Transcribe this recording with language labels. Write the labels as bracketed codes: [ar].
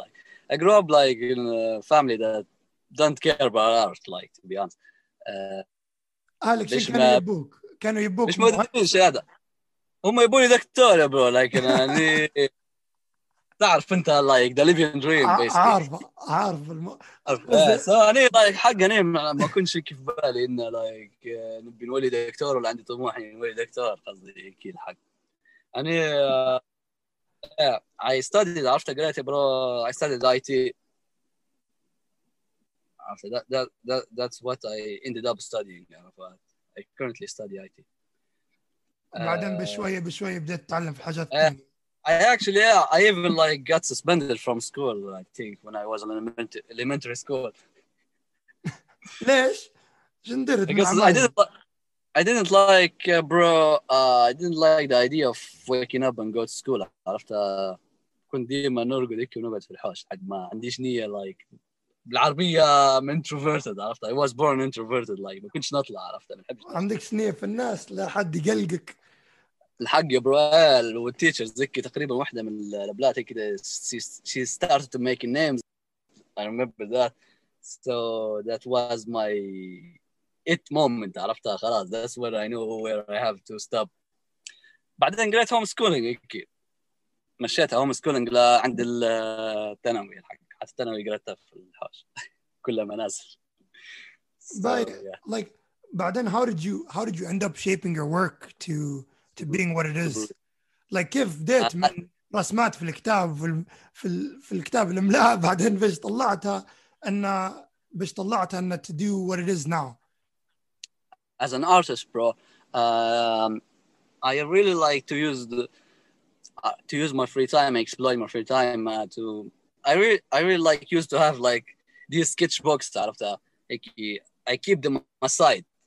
[en] Like I grew up like in a family that don't care about art, like to be honest. [ar] أهلك شو كانوا يبوك؟ كانوا يبوك مش مدرسين شي هذا, هم يبوني دكتور يا برو, لكن أني تعرف أنت [en] like the living dream basically. [ar] عارف سو أني like حق أني ما كنت شي كيف بالي إنه like نبي نولي دكتور ولا عندي طموح نولي دكتور, قصدي كي الحق أنا [en] I studied [ar] عرفت قريت برو [en] I studied IT [ar] عرفت [en] that's what I ended up studying [ar] عرفت. [en] I currently study IT. [ar] بعدين بشوية بدأت أتعلم في حاجات ثانية. [en] I actually I even like got suspended from school I think when I was in elementary school. [ar] ليش؟ جندرت. [en] I didn't like bro. I didn't like the idea of waking up and go to school. [ar] عرفت كنت ديما نرقد هيك ونقعد في الحوش حق ما عنديش نية like بالعربية [en] I'm introverted. عرفت I was born introverted like [ar] ما كنتش نطلع عرفت. عندك نية في الناس لا حد يقلقك الحق يا برو. والتيتشرز هيك تقريبا واحدة من البلاد هيك [en] she started to make names. I remember that. So that was my it moment [ar] عرفتها خلاص. [en] That's when I knew where I have to stop. [ar] بعدين قريت هوم سكولينج هيك مشيتها هوم سكولينج لعند الثانوي الحق حتى الثانوي قريتها في الحوش كلها منازل. [en] Like بعدين how did you end up shaping your work to being what it is? [ar] Like كيف بديت من رسمات في الكتاب في الكتاب الإملاء بعدين بيش طلعتها ان [en] to do what it is now. As an artist, bro, I really like to use to use my free time, exploit my free time to I really like used to have like these sketchbooks out of the like, I keep them aside.